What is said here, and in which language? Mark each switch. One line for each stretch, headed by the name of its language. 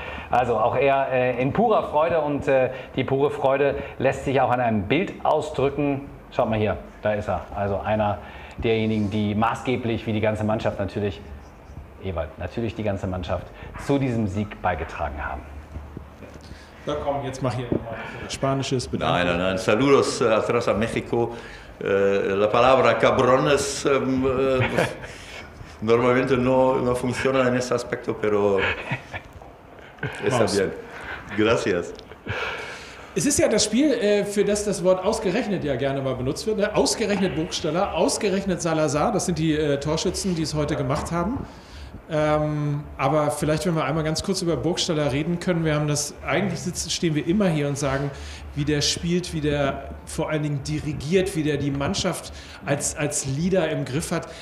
German: Also auch er in purer Freude und die pure Freude lässt sich auch an einem Bild ausdrücken. Schaut mal hier, da ist er. Also einer derjenigen, die maßgeblich, wie die ganze Mannschaft natürlich, Ewald, natürlich die ganze Mannschaft, zu diesem Sieg beigetragen haben. Na komm, jetzt mach hier nochmal spanisches Bedanken. Nein.
Spanish: Saludos a todos a México. La palabra cabrones normalmente no funciona en ese aspecto, pero está bien. Gracias.
German: Es ist ja das Spiel, für das das Wort ausgerechnet ja gerne mal benutzt wird. Ausgerechnet Burgstaller, ausgerechnet Salazar, das sind die Torschützen, die es heute gemacht haben. Aber vielleicht, wenn wir einmal ganz kurz über Burgstaller reden können. Wir haben das, eigentlich stehen wir immer hier und sagen, wie der spielt, wie der vor allen Dingen dirigiert, wie der die Mannschaft als Leader im Griff hat.